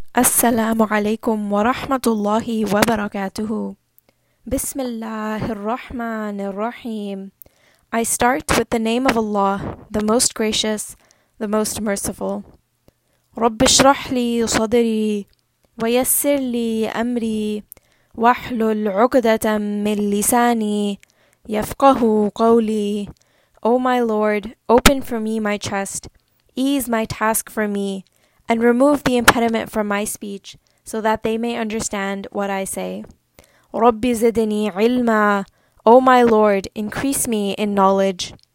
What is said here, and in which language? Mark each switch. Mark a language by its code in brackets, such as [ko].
[ar] السلام عليكم ورحمة الله وبركاته. بسم الله الرحمن الرحيم. [en] I start with the name of Allah, the Most Gracious, the Most Merciful. [ar] رب اشرح لي صدري ويسر لي أمري واحلل عقدة من لساني يفقه قولي. [en] O my Lord, open for me my chest, ease my task for me, and remove the impediment from my speech, so that they may understand what I say. [ar] رَبِّ زِدْنِي عِلْمًا. [en] O my Lord, increase me in knowledge.